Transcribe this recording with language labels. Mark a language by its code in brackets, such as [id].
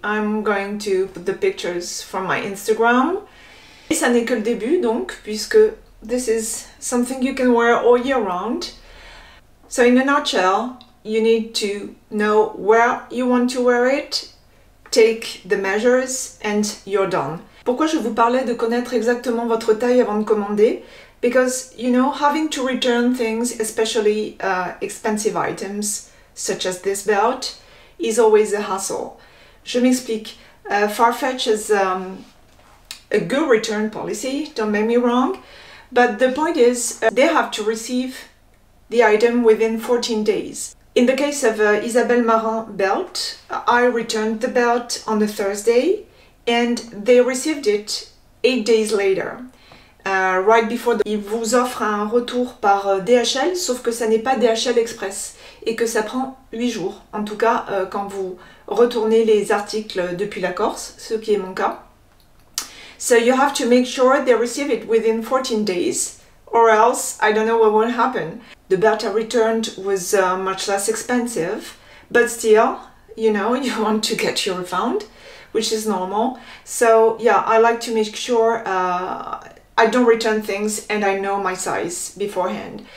[en] I'm going to put the pictures from my Instagram. [fr] Et ça n'est que le début donc, puisque [en] this is something you can wear all year round. So in a nutshell, you need to know where you want to wear it, take the measures, and you're done. [fr] Pourquoi je vous parlais de connaître exactement votre taille avant de commander? [en] Because, you know, having to return things, especially expensive items, such as this belt, is always a hassle. [fr] Je m'explique. [en] Farfetch is a good return policy, don't make me wrong. But the point is, they have to receive the item within 14 days. In the case of Isabelle Marant belt, I returned the belt on a Thursday and they received it 8 days later. Right before the... [fr] Ils vous offrent un retour par DHL, sauf que ça n'est pas DHL Express et que ça prend 8 jours. En tout cas, quand vous retournez les articles depuis la Corse, ce qui est mon cas. [en] So you have to make sure they receive it within 14 days. Or else, I don't know what will happen. The belt I returned was much less expensive, but still, you know, you want to get your refund, which is normal. So yeah, I like to make sure I don't return things and I know my size beforehand.